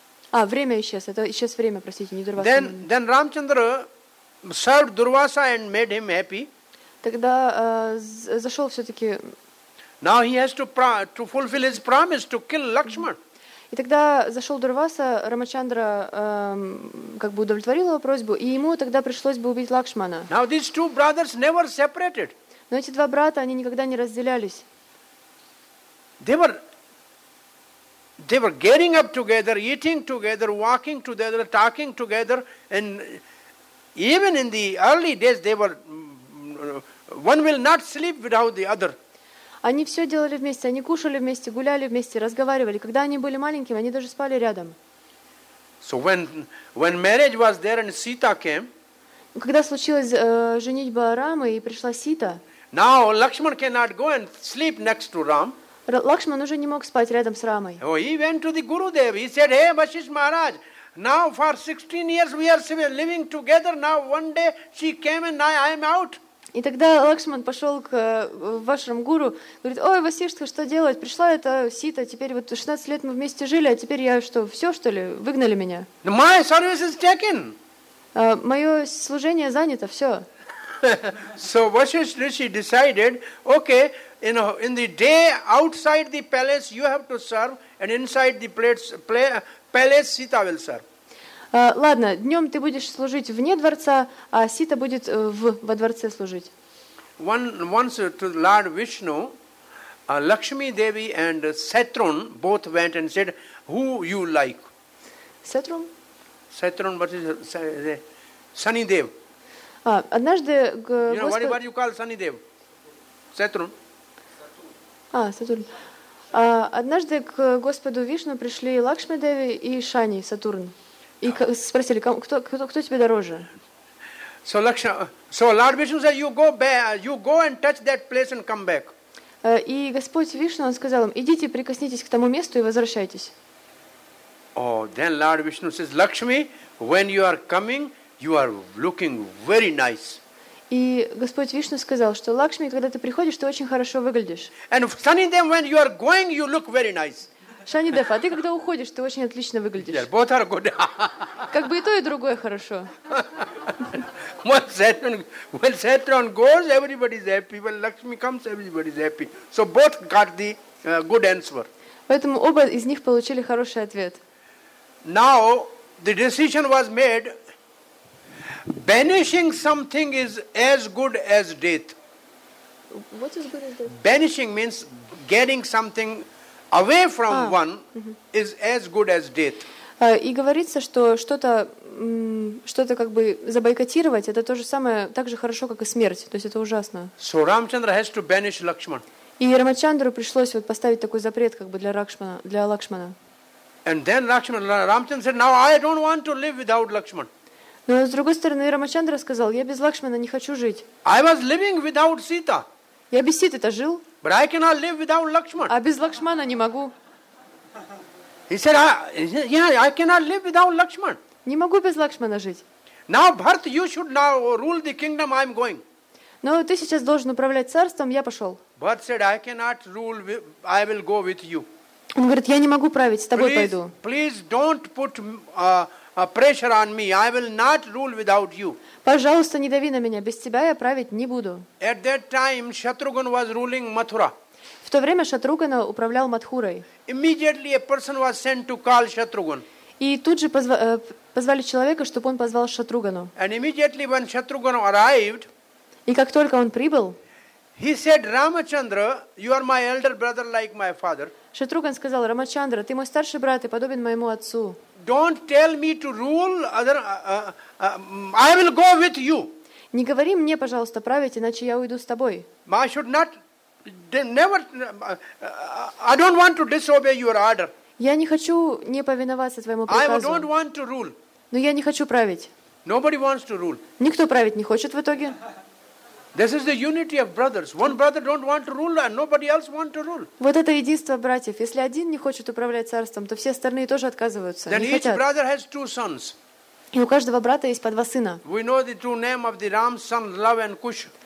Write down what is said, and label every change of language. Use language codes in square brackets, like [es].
[ru] А, время исчез, это исчез время, простите, не Дурваса [en] Муни. Then Ramachandra served Durvasa and made him happy. [ru] Тогда зашел все-таки. [en] Now he has to fulfill his promise to kill Lakshman. [ru] И тогда зашел Дурваса, Рамачандра как бы удовлетворил его просьбу, и ему тогда пришлось бы убить Лакшмана. [en] Now these two brothers never separated. [ru] Но эти два брата, они никогда не разделялись. [en] They were getting up together, eating together, walking together, talking together, and even in the early days they were one will not sleep without the other. [ru] Они все делали вместе, они кушали вместе, гуляли вместе, разговаривали. Когда они были маленькими, они даже спали рядом. [en] So when marriage was there and Sita came, [ru] когда случилась женитьба Рамы и пришла Сита, [en] now Lakshman cannot go and sleep next to Ram. [ru] Лакшман уже не мог спать рядом с Рамой. [en] Oh, he went to the Gurudev. He said, "Hey, Vasishtha Maharaj, now for 16 years we are living together. Now one day she came and I am out." [ru] И тогда Лакшман пошел к вашему гуру, говорит: «Ой, Васиштха, что делать? Пришла эта Сита, теперь вот 16 лет мы вместе жили, а теперь я что, все что ли? Выгнали меня?» [en] My service is taken. [ru] Мое служение занято, все. [en] So Vasishtha Rishi decided, okay, in the day outside the palace you have to serve, and inside the palace Sita will serve. [ru] Ладно, днем ты будешь служить вне дворца, а Сита будет во дворце служить. [en] Once to Lord Vishnu, Lakshmi Devi and Satrun both went and said, "Who you like?" Satrun? Satrun, what is Sunny Dev? [ru] Однажды [en] What do you call Sunny Dev? Satrun. [ru] Сатурн. Однажды к Господу Вишну пришли Лакшми Деви и Шани, Сатурн. И спросили, кто тебе дороже? [en] So Lord Vishnu said, you go and touch that place and come back. [ru] И Господь Вишну, он сказал им, идите, прикоснитесь к тому месту и возвращайтесь. [en] Oh, then Lord Vishnu says, Lakshmi, when you are coming, you are looking very nice. [ru] И Господь Вишну сказал, что Лакшми, когда ты приходишь, ты очень хорошо выглядишь. [en] And Sanidev, when you are going, you look very nice. [ru] Шанидев, а ты когда уходишь, ты очень отлично выглядишь. [en] Yeah, both are good. [ru] Как бы и то, и другое хорошо. [en] When Satrun goes, everybody is happy. When Lakshmi comes, everybody is happy. So both got the good answer. [ru] Поэтому оба из них получили хороший ответ. [en] Now, the decision was made. Banishing something is as good as death. What is good as death? Banishing means getting something away from one is as good as death. [ru] И говорится, что что-то как бы забойкотировать, это то же самое, так же хорошо, как и смерть. То есть это ужасно. [en] So Ramchandra has to banish Lakshman. [ru] И Рамачандру пришлось вот поставить такой запрет как бы для Лакшмана. [en] And then Ramchandra said, "Now I don't want to live without Lakshman." [ru] Но с другой стороны, Рамачандра сказал, я без Лакшмана не хочу жить. [en] I was living without Sita. [ru] Я без Ситы-то жил. [en] But I cannot live without Lakshman. [ru] А без Лакшмана не могу. [en] He said, I cannot live without Lakshman. [ru] Не могу без Лакшмана жить. [en] Now, Bharat, you should now rule the kingdom, I'm going. [ru] Но ты сейчас должен управлять царством, я пошел. [en] Bharat said, I cannot rule, I will go with you. [ru] Он говорит, я не могу править, с тобой [en] please, [ru] пойду. [en] Please don't put pressure on me. I will not rule without you. [ru] Пожалуйста, не дави на меня. Без тебя я править не буду. [en] At that time, Shatrughan was ruling Mathura. [ru] В то время Шатруган управлял Матхурой. [en] Immediately a person was sent to call Shatrughan. [ru] И тут же позвали человека, чтобы он позвал Шатругану. [en] And immediately when Shatrughan arrived, [ru] и как только он прибыл, [en] he said, "Ramachandra, you are my elder brother, like my father." [ru] Шатруган сказал: "Рамачандра, ты мой старший брат и подобен моему отцу." [en] Don't tell me to rule other. I will go with you. [ru] Не говори мне, пожалуйста, править, иначе я уйду с тобой. [en] I should not, never. I don't want to disobey your order. [ru] Я не хочу не повиноваться твоему приказу. [en] I don't want to rule. [ru] Но я не хочу править. [en] Nobody wants to rule. [ru] Никто править не хочет в итоге. [en] This is the unity of brothers. One brother don't want to rule, and nobody else want to rule. [ru] Вот это единство братьев. Если один не хочет управлять царством, то все остальные тоже отказываются. [en] Then each brother has two sons. [ru] И у каждого брата есть по два сына. [en] We know the two names of the Ram's son, Lava and Kusha.